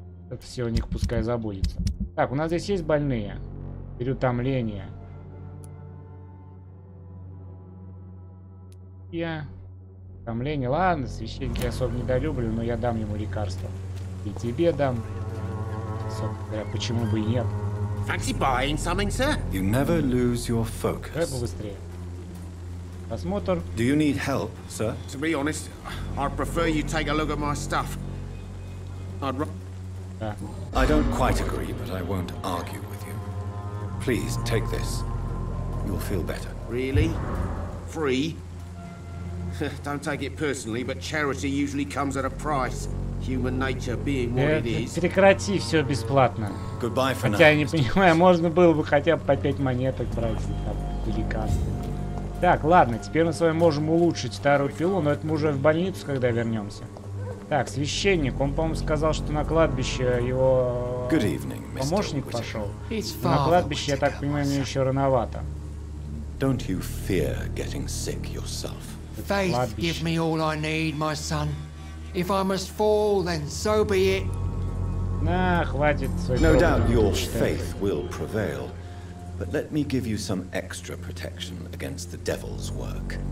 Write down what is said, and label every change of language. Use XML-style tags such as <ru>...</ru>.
<ru>Это все у них пускай забудется. Так, у нас здесь есть больные. Переутомление. Я... Ленин, ладно, священник я особо недолюблю, но я дам ему лекарство. И тебе дам. Собственно, почему бы и нет?</ru> <en>Fancy buying something, sir? You never lose your focus.</en> <ru>Давай побыстрее. Осмотр.</ru> <en>Do you need help, sir? To be honest, I'd prefer you take a look at my stuff. I don't quite agree, but I won't argue with you. Please take this. You'll feel better. Really? Free? Don't take it personally, but charity usually comes at a price. Human nature being what it is.</en> <ru>Прекрати все бесплатно.</ru> <en>Goodbye for</en> <ru>хотя</ru> <en>now,</en> <ru>я не понимаю, можно было бы хотя бы по 5 монеток брать там, лекарства. Так, ладно, теперь мы с вами можем улучшить старую пилу, но это мы уже в больницу, когда вернемся. Так, священник, он, по-моему, сказал, что на кладбище его</ru> <en>evening,</en> <ru>помощник пошел. На кладбище, я так понимаю, мне еще рановато.</ru> <en>Don't you fear getting sick yourself? Faith, give me all I need, my son. If I must fall, then so be it. No doubt your faith will prevail, but let me give you some extra protection against the devil's work.</en>